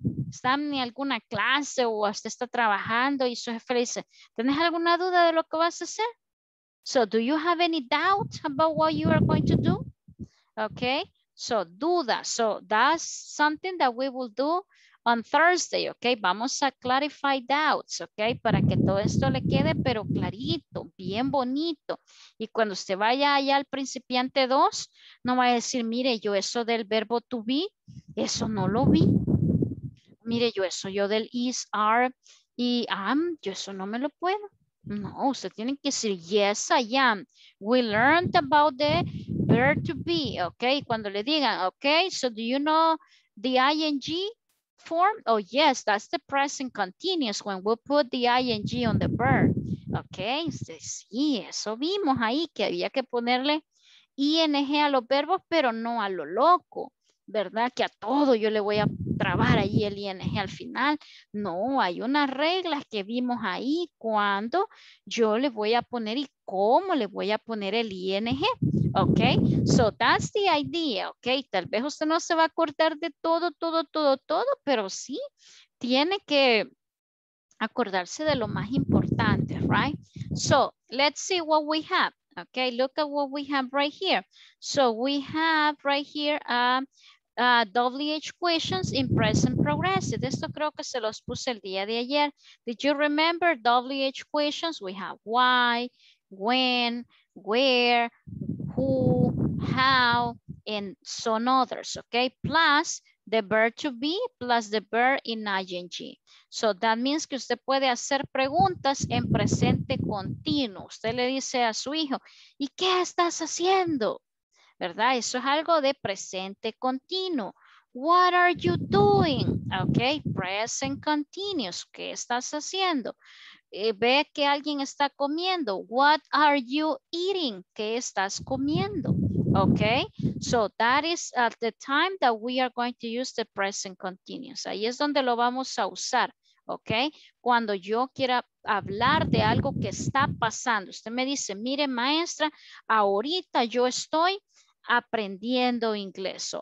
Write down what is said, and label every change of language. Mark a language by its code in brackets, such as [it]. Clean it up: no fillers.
[es] ¿Están en alguna clase o usted está trabajando y su jefe le dice, ¿tienes alguna duda de lo que vas a hacer? [en] So, do you have any doubt about what you are going to do? Okay, so duda. So, that's something that we will do on Thursday, okay? [es] Vamos a [en] clarify doubts, [es] okay? Para que todo esto le quede pero clarito, bien bonito. Y cuando usted vaya allá al principiante 2, no va a decir, mire, yo eso del verbo to be, eso no lo vi. Mire, yo eso, yo del is, are, y am, yo eso no me lo puedo. No, usted tiene que decir, [en] yes, I am. We learned about the verb to be, okay? [es] Cuando le digan, okay, [en] so do you know the ing form? Oh, yes, that's the present continuous when we put the ing on the verb, okay? [es] Sí, eso vimos ahí, que había que ponerle ing a los verbos, pero no a lo loco. ¿Verdad? Que a todo yo le voy a trabar ahí el ING al final. No, hay unas reglas que vimos ahí cuando yo le voy a poner y cómo le voy a poner el ING. Ok, [en] so that's the idea. [es] Ok, tal vez usted no se va a acordar de todo, pero sí tiene que acordarse de lo más importante, [en] right? So, let's see what we have. Okay, look at what we have right here. So, we have right here WH questions in present progressive. [es] Esto creo que se los puse el día de ayer. [en] Did you remember WH questions? We have why, when, where, who, how, and some others, okay? Plus the verb to be, plus the verb in ing. So that means [es] que usted puede hacer preguntas en presente continuo. Usted le dice a su hijo, ¿y qué estás haciendo? ¿Verdad? Eso es algo de presente continuo. [en] What are you doing? [es] Okay, present continuous. ¿Qué estás haciendo? Ve que alguien está comiendo. [en] What are you eating? [es] ¿Qué estás comiendo? [en] Okay, so that is at the time that we are going to use the present continuous. [es] Ahí es donde lo vamos a usar. Okay, cuando yo quiera hablar de algo que está pasando. Usted me dice, mire maestra, ahorita yo estoy aprendiendo inglés.